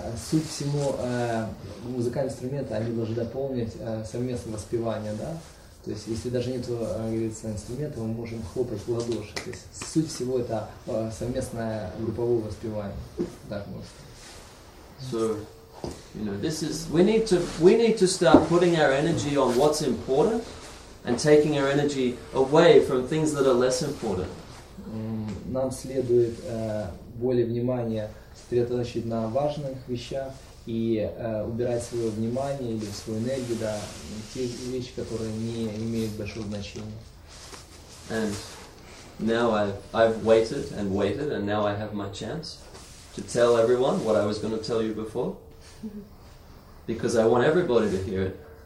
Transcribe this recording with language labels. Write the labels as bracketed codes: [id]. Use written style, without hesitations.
[ru] суть всего музыкального инструмента, они должны дополнить совместное воспевание, да? То есть, если даже нет инструмента, мы можем хлопать в ладоши. То есть, суть всего это совместное групповое воспевание. Да, можно. [en] So, you know, this is, we need to start putting our energy on what's important and taking our energy away from things that are less important. [ru] Нам следует более внимания сосредоточить на важных вещах и убирать свое внимание или свою энергию, да, те вещи, которые не имеют большого значения. [en] And now I've waited and waited, and now I have my chance to tell everyone what I was going to tell you before, because I want everybody to hear it.